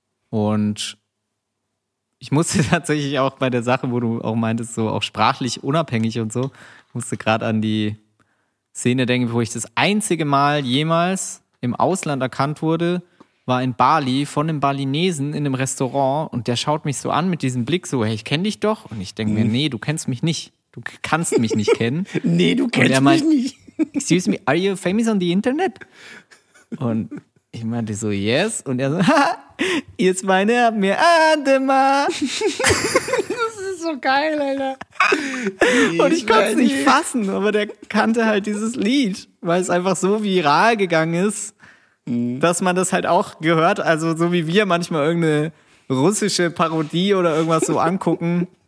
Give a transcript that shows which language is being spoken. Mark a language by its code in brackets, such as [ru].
[de] Und ich musste tatsächlich auch bei der Sache, wo du auch meintest, so auch sprachlich unabhängig und so, musste gerade an die Szene denken, wo ich das einzige Mal jemals im Ausland erkannt wurde, war in Bali von einem Balinesen in einem Restaurant und der schaut mich so an mit diesem Blick so, hey, ich kenne dich doch. Und ich denke mir, nee, du kennst mich nicht. Du kannst mich nicht kennen. Nee, du kennst mich nicht. [en] Excuse me, are you famous on the internet? [de] Und ich meinte so, [en] yes. [de] Und er so, jetzt meine hat mir Ademar. Das ist so geil, Alter. Und ich konnte es nicht fassen, aber der kannte halt dieses Lied, weil es einfach so viral gegangen ist. Dass man das halt auch gehört, also so wie wir manchmal irgendeine russische Parodie oder irgendwas so angucken.